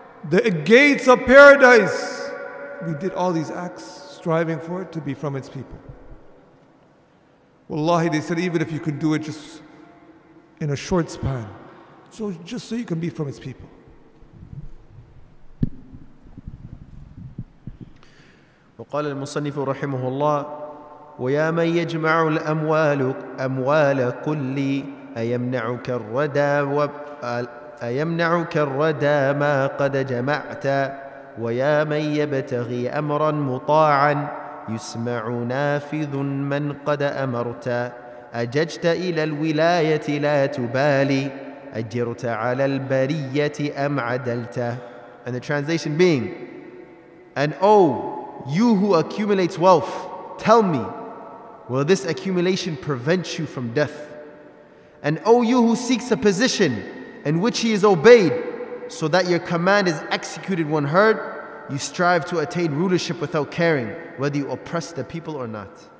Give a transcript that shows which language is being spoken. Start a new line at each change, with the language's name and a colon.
English: The gates of Paradise. We did all these acts, striving for it to be from its people. Wallahi, they said, even if you can do it just in a short span, so just so you can be from its people.
Arabic: وقال المصنف رحمه الله ويا من يجمع الأموال أموال كلي أيمنعك الردى أيمنعك الردى ما قد جمعت ويا من يبتغي أمرا مطاعا يسمع نافذ من قد أمرت أججت إلى الولاية لا تبالي أجرت على البرية أم عدلت.
English: And the translation being, and you who accumulates wealth, tell me, will this accumulation prevent you from death? And O you who seeks a position in which he is obeyed, so that your command is executed when heard, you strive to attain rulership without caring whether you oppress the people or not.